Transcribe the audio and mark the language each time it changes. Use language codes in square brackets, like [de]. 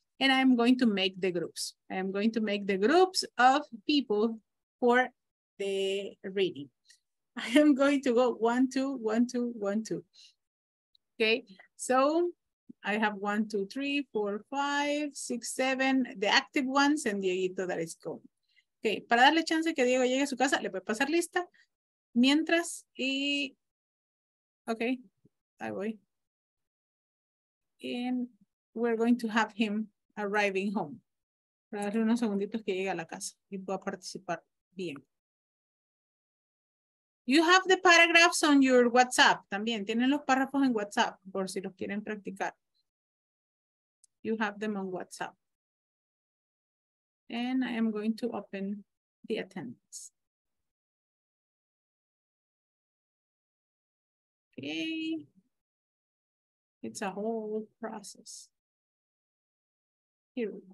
[en] And I'm going to make the groups. I am going to make the groups of people for the reading. I am going to go 1, 2, 1, 2, 1, 2. Okay, so I have 1, 2, 3, 4, 5, 6, 7, the active ones and Dieguito that is gone. [es] Okay, para darle chance que Diego llegue a su casa, le voy a pasar lista. Mientras, y, okay, ahí voy. [en] And we're going to have him arriving home. [es] Para darle unos segunditos que llegue a la casa y pueda participar bien. [en] You have the paragraphs on your WhatsApp [es] también. Tienen los párrafos en WhatsApp por si los quieren practicar. [en] You have them on WhatsApp. And I am going to open the attendance. Okay. It's a whole process. Here.